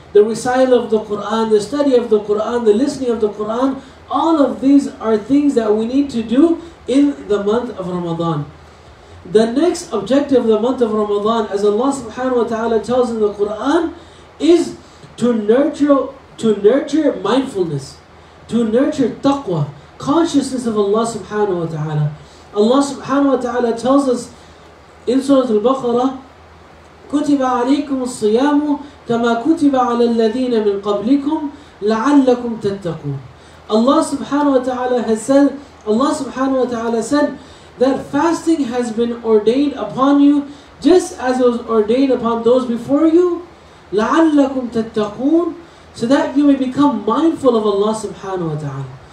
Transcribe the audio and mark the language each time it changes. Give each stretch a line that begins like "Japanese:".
English: The recital of the Quran, the study of the Quran, the listening of the Quran, all of these are things that we need to do in the month of Ramadan. The next objective of the month of Ramadan, as Allah subhanahu wa ta'ala tells in the Quran, is to nurture mindfulness, to nurture taqwa, consciousness of Allah subhanahu wa ta'ala.
Arabic: Allah subhanahu wa ta'ala tells us in Surah Al-Baqarah, كُتِبَ عَلَيْكُمُ الصِّيَامُ كَمَا كُتِبَ عَلَى الَّذِينَ مِنْ قَبْلِكُمْ لَعَلَّكُمْ تَتَّقُونَ.
English: Allah subhanahu wa ta'ala has said, Allah subhanahu wa ta'ala said that fasting has been ordained upon you just as it was ordained upon those before you,
Arabic: لَعَلَّكُمْ تَتَّقُونَ,
English: so that you may become mindful of Allah subhanahu wa ta'ala.